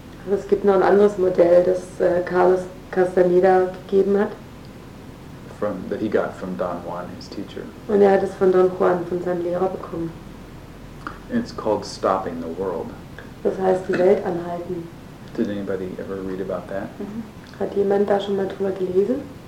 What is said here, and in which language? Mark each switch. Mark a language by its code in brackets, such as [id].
[de] Es gibt noch ein anderes Modell, das Carlos Castaneda gegeben hat. [en] That he got from Don Juan, his teacher. [de] Und hat es von Don Juan, von seinem Lehrer bekommen. [en] It's called stopping the world. [de] Das heißt, die Welt anhalten. [en] Did anybody ever read about that? [de] Mm-hmm. Hat jemand da schon mal drüber gelesen?